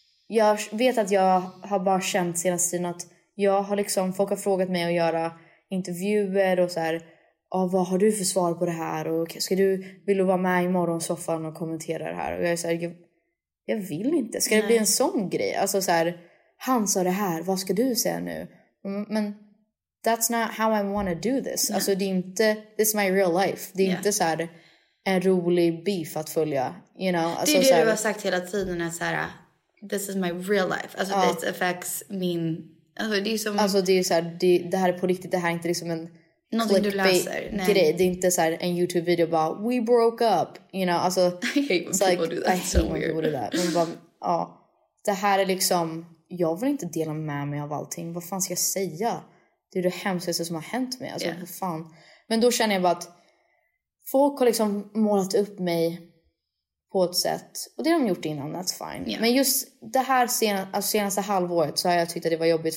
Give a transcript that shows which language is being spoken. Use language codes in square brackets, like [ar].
[sv] Jag vet att jag har bara känt senaste tiden att jag har liksom, folk har frågat mig att göra intervjuer och så här, vad har du för svar på det här? Och ska du, vill du vara med i morgonsoffan och kommentera det här? Och jag är så här, jag vill inte. Ska det bli en sån grej? Alltså så här, han sa det här, vad ska du säga nu? Men [en] that's not how I want to do this. [sv] Nej. Alltså det är inte, [en] this is my real life. [sv] Det är inte så här en rolig beef att följa. [en] You know? [sv] Alltså, det är det så här, du har sagt hela tiden, är så här, [en] this is my real life. [sv] Alltså [en] this affects [sv] min... Alltså det är som... Alltså det är så här, det här är på riktigt, det här är inte liksom en... Någonting du läser. Grej. Det är inte så här en YouTube-video bara, [en] we broke up. You know, [sv] alltså... [en] I hate when people do that. [sv] Det här är liksom... Jag vill inte dela med mig av allting. Vad fan ska jag säga? Det är det hemskaste som har hänt mig. Alltså, vad fan? Men då känner jag bara att... Folk har liksom målat upp mig... På ett sätt. Och det har de gjort innan, [en] that's fine. Yeah. [sv] Men just det här senaste halvåret så har jag tyckt att det var jobbigt.